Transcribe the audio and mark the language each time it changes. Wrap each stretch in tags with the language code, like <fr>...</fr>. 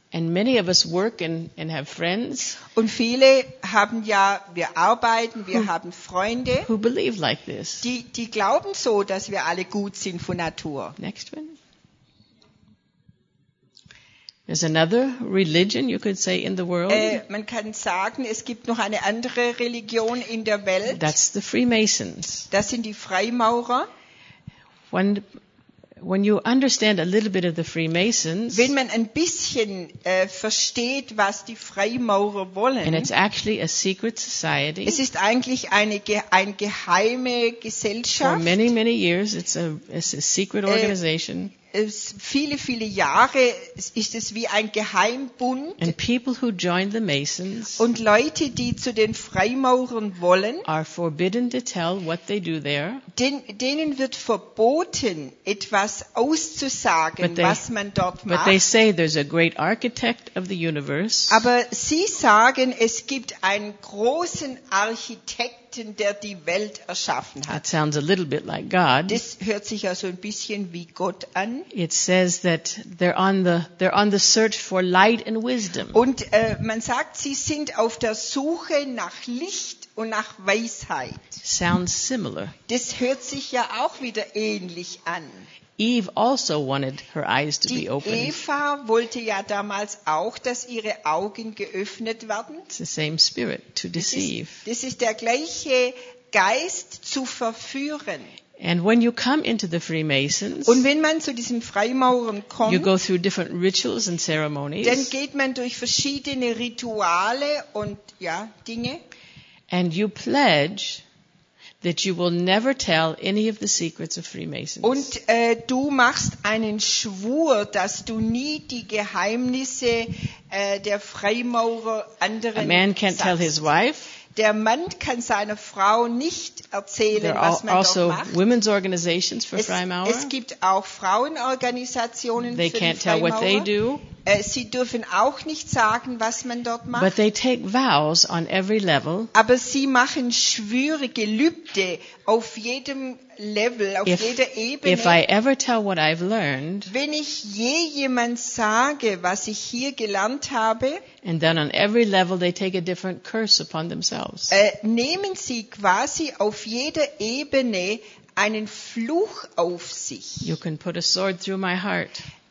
<en>And many of us work and have friends.</en> <de>Und viele haben ja, wir arbeiten, wir haben Freunde.</de> <en>Who believe like this?</en> <de>Die glauben so, dass wir alle gut sind von Natur.</de> <en>Next one. There's another religion, you could say, in the world.</en> <de>Man kann sagen, es gibt noch eine andere Religion in der Welt.</de> <en>That's the Freemasons.</en> <de>Das sind die Freimaurer.</de> <en>When you understand a little bit of the Freemasons,</en> <de>wenn man ein bisschen versteht, was die Freimaurer wollen,</de> <en>and it's actually a secret society,</en> <de>es ist eigentlich eine geheime Gesellschaft.</de> <en>For many, many years, it's a secret organization.</en> <de>Viele, viele Jahre ist es wie ein Geheimbund.</de> <en>And people who join the Masons</en> <de>und Leute, die zu den Freimaurern wollen,</de> <en>are forbidden to tell what they do there.</en> <de>Denen wird verboten, etwas auszusagen, was man dort macht.</de> <en>But they say there's a great architect of the universe.</en> <de>Aber sie sagen, es gibt einen großen Architekt, der die Welt erschaffen hat.</de> <en>That sounds a little bit like God.</en> <de>Das hört sich also ein bisschen wie Gott an.</de> <en>It says that they're on the search for light and wisdom.</en> <de>Und man sagt, sie sind auf der Suche nach Licht und nach Weisheit.</de> <en>Sounds similar.</en> <de>Das hört sich ja auch wieder ähnlich an.</de> <en>Eve also wanted her eyes to</en> <de>die</de> <en>be open.</en> <de>Eva wollte ja damals auch, dass ihre Augen geöffnet werden.</de> <en>It's the same spirit to deceive.</en> <de>Das ist der gleiche Geist zu verführen.</de> <en>And when you come into the Freemasons,</en> <de>und wenn man zu diesen Freimaurern kommt,</de> <en>you go through different rituals and ceremonies,</en> <de>dann geht man durch verschiedene Rituale und ja, Dinge.</de> <en>And you pledge that you will never tell any of the secrets of Freemasons.</en> <de>Und du machst einen Schwur, dass du nie die Geheimnisse der Freimaurer anderen</de> <en>A man can't</en> <de>sagst.</de> <en>Tell his wife.</en> <de>Der Mann kann seiner Frau nicht erzählen,</de> <en>There are</en> <de>was man</de> <en>also</en> <de>dort macht.</de> <en>Women's organizations for Freimaurer.</en> <de>Es gibt auch Frauenorganisationen</de> <en>they</en> <de>für</de> <en>can't</en> <de>die</de> <en>tell</en> <de>Freimaurer.</de> <en>What they do.</en> <de>Sie dürfen auch nicht sagen, was man dort macht.</de> <en>But they take vows on every level.</en> <de>Aber sie machen Schwüre, Gelübde auf jedem Level, auf jeder Ebene.</de> <en>If I ever tell what I've learned,</en> <de>wenn ich je jemand sage, was ich hier gelernt habe,</de> <en>and then on every level they take a different curse upon themselves.</en> <de>Nehmen sie quasi auf jeder Ebene einen Fluch auf sich.</de> <en>You can put a sword through my heart.</en>